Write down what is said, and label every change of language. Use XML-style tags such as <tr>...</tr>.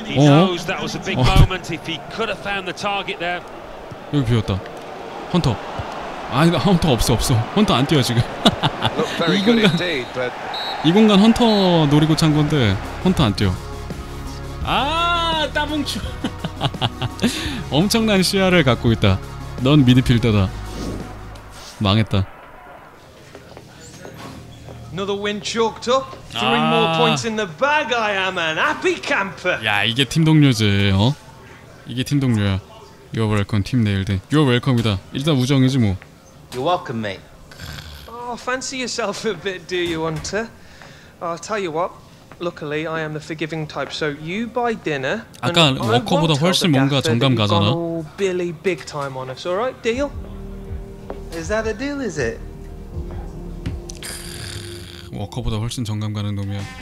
<en>He knows that was a big moment. If he could have found the target there.</en> <ko>여기 비었다. 헌터. 아니 헌터 없어 없어. 헌터 안 뛰어 지금. 이 공간 이 공간 헌터 노리고 찬 건데 헌터 안 뛰어. 아 따봉추. 엄청난 시야를 갖고 있다. 넌 미드필더다. 망했다.</ko> <en>Another win chalked up. Three more points in the bag. I am an happy camper.</en> <ko>야 이게 팀 동료지, 어? 이게 팀 동료야.</ko> <en>You're welcome, 팀 네일드. You're welcome</en> <ko>이다. 일단 우정이지 뭐.</ko> <en>You're welcome, mate. Oh, fancy yourself a bit, do you, Hunter? I'll tell you what. Luckily, I am the forgiving type. So you buy dinner.</en> <ko>아까 워커보다 훨씬 뭔가 정감 가잖아.</ko> <en>Oh, Billy, big time on us. All right, deal? Is that a deal? Is it?</en> <ko>워커보다 훨씬 정감 가는 놈이야.</ko>